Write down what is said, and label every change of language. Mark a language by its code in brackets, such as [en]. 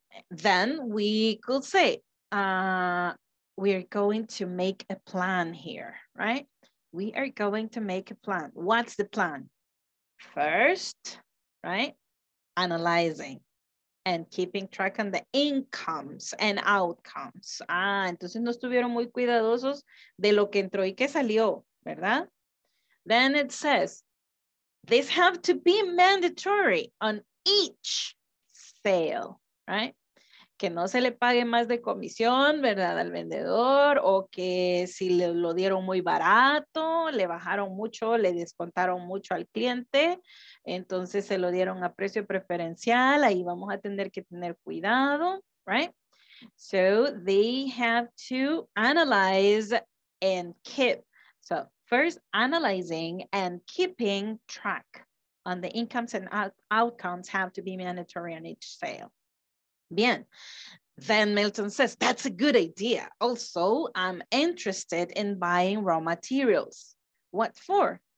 [en] Then we could say, we're going to make a plan here, right? We are going to make a plan. What's the plan? First, right? Analyzing and keeping track on the incomes and outcomes. [es] Entonces no estuvieron muy cuidadosos de lo que entró y que salió, ¿verdad? [en] Then it says, this have to be mandatory on each sale, right? [es] Que no se le pague más de comisión, ¿verdad? Al vendedor, o que si le lo dieron muy barato, le bajaron mucho, le descontaron mucho al cliente, entonces se lo dieron a precio preferencial, ahí vamos a tener que tener cuidado, right? [en] So they have to analyze and keep. So first, analyzing and keeping track on the incomes and outcomes have to be mandatory on each sale. Bien, then Milton says, that's a good idea. Also, I'm interested in buying raw materials. What for?